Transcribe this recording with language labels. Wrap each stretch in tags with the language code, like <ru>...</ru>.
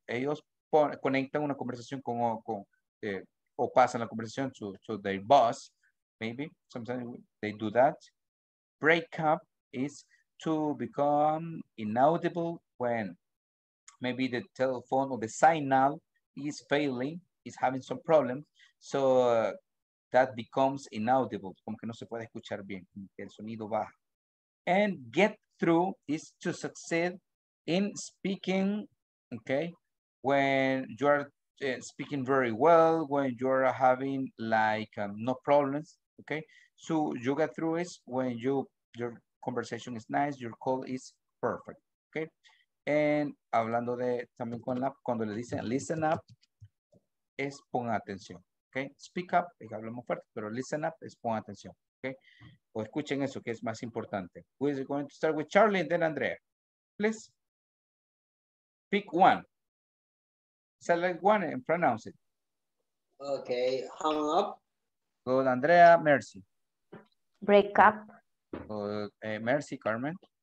<es>Ellos conectan una conversación o pasan la conversación</es> <en>to their boss. Maybe sometimes they do that. Break up is to become inaudible when maybe the telephone or the signal is failing, is having some problems. So that becomes inaudible.</en> <es>Como que no se puede escuchar bien, el sonido baja.</es> <en>And get through is to succeed in speaking, okay? When you are speaking very well, when you are having like no problems, okay? So you get through is when your conversation is nice, your call is perfect, okay?</en> <es>And hablando de también con la, cuando le dicen listen up, es ponga atención, okay? Speak up, y hablamos fuerte, pero listen up es ponga atención, okay? O escuchen eso, que es más importante.</es> <en>We're going to start with Charlie and then Andrea. Please. Pick one. Select one and pronounce it. Okay. Hung up. Good. Andrea, Mercy. Break up. Good. Mercy, Carmen.</en>